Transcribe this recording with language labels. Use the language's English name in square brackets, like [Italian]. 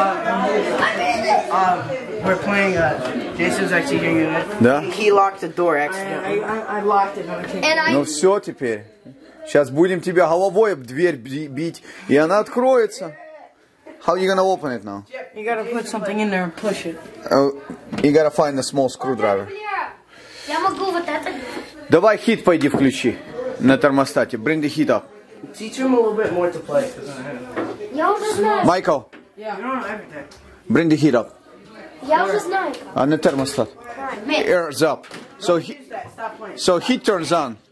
[English] We're playing Jason's IT unit. [Russian] Да? [English] He locked the door accidentally. I locked it, but I can't. [Russian] Ну все теперь. Сейчас будем тебя головой об дверь бить, и она откроется. [English] How are you gonna open it now? You gotta put something in there and push it. You gotta find a small screwdriver. [Russian] Я могу вот это. Давай хит пойди включи на термостате. [English] Bring the heat up. Teach him a little bit more to play. [Russian] Я уже знаю. Майкл. [English] Yeah. You don't know everything. Bring the heat up. [Russian] Я уже знаю. А на термостат. [English] Air's up. So heat turns on.